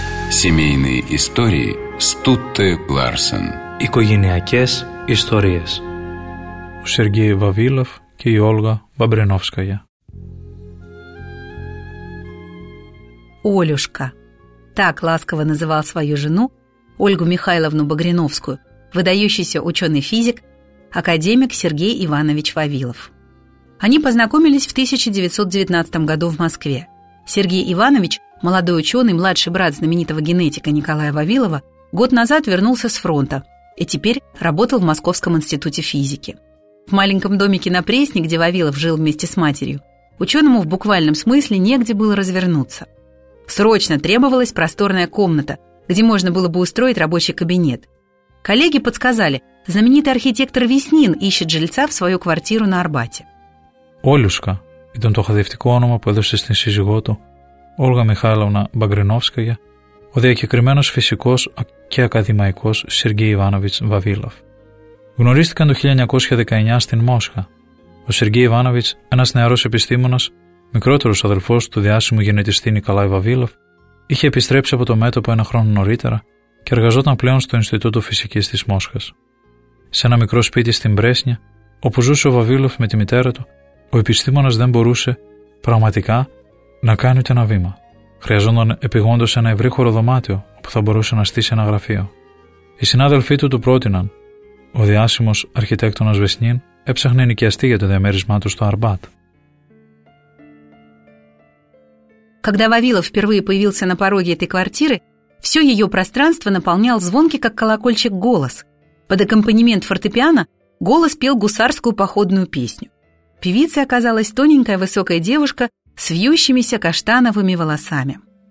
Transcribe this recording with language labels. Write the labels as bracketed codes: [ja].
[ru] Семейные истории Стутте Ларсен. [el] Οικογενειακές ιστορίες. Ο Сергей Вавилов και η Όλγα Βαμπρενόφσκαγια. [ru] Олюшка. Так ласково называл свою жену Ольгу Михайловну Багриновскую, выдающийся ученый-физик, академик Сергей Иванович Вавилов. Они познакомились в 1919 году в Москве. Сергей Иванович, молодой ученый, младший брат знаменитого генетика Николая Вавилова, год назад вернулся с фронта и теперь работал в Московском институте физики. В маленьком домике на Пресне, где Вавилов жил вместе с матерью, ученому в буквальном смысле негде было развернуться. Срочно требовалась просторная комната, где можно было бы устроить рабочий кабинет. Коллеги подсказали, знаменитый архитектор Веснин ищет жильца в свою квартиру на Арбате. [el] Олюшка, ήταν το χαδευτικό όνομα που έδωσε στην σύζυγό του, Όλγα Μιχάλωνα Μπαγκρινόφσκαγια, ο διακεκριμένος φυσικός και ακαδημαϊκός Σεργέι Ιβάνοβιτς Βαβίλοφ. Γνωρίστηκαν το 1919 στην Μόσχα. Ο Σεργέι Ιβάνοβιτς, ένας νεαρός επιστήμονας, μικρότερος αδελφός του διάσημου γενετιστή Νικολάη Βαβίλοφ, είχε επιστρέψει από το μέτωπο ένα χρόνο νωρίτερα και εργαζόταν πλέον στο Ινστιτούτο Φυσικής της Μόσχας. Σε ένα μικρό σπίτι στην Πρέσνια, όπου ζούσε ο Βαβίλοφ με τη μητέρα του, ο επιστήμονας δεν μπορούσε, πραγματικά, να κάνει ούτε ένα βήμα. Χρειαζόταν επιγόντως ένα ευρύχωρο δωμάτιο όπου θα μπορούσε να στήσει ένα γραφείο. Οι συνάδελφοί του πρότειναν. Ο διάσημος αρχιτέκτονας Βεσνίν έψαχνε ενοικιαστή για το διαμέρισμά του στο Αρμπάτ. [ru] Когда Вавилов впервые появился на пороге этой квартиры, все ее пространство наполнял звонкий, как колокольчик, голос. Под аккомпанемент фортепиано голос пел гусарскую походную песню. Певицей оказалась тоненькая высокая девушка с вьющимися каштановыми волосами.